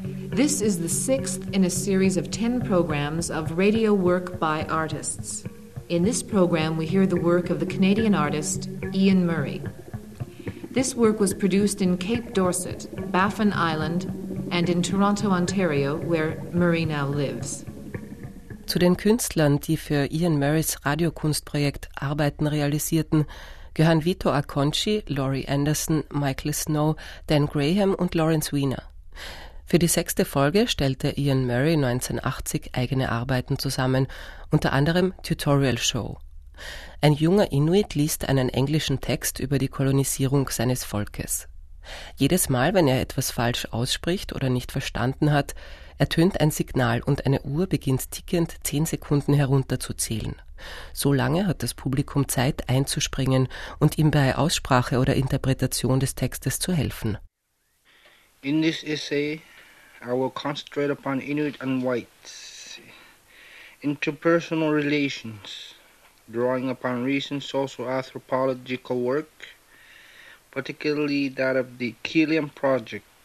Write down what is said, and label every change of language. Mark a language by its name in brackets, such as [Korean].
[English] This is the sixth in a series of 10 programs of radio work by artists. In this program, we hear the work of the Canadian artist Ian Murray. This work was produced in Cape Dorset, Baffin Island, and in Toronto, Ontario, where Murray now lives. [German] Zu den Künstlern, die für Ian Murrays Radiokunstprojekt Arbeiten realisierten, gehören Vito Acconci, Laurie Anderson, Michael Snow, Dan Graham und Lawrence Wiener. Für die sechste Folge stellte Ian Murray 1980 eigene Arbeiten zusammen, unter anderem Tutorial Show. Ein junger Inuit liest einen englischen Text über die Kolonisierung seines Volkes. Jedes Mal, wenn er etwas falsch ausspricht oder nicht verstanden hat, ertönt ein Signal und eine Uhr beginnt tickend 10 Sekunden herunterzuzählen. So lange hat das Publikum Zeit einzuspringen und ihm bei Aussprache oder Interpretation des Textes zu helfen. [English] In this essay, I will concentrate upon Inuit and whites, interpersonal relations, drawing upon recent socio-anthropological work, particularly that of the Killian Project.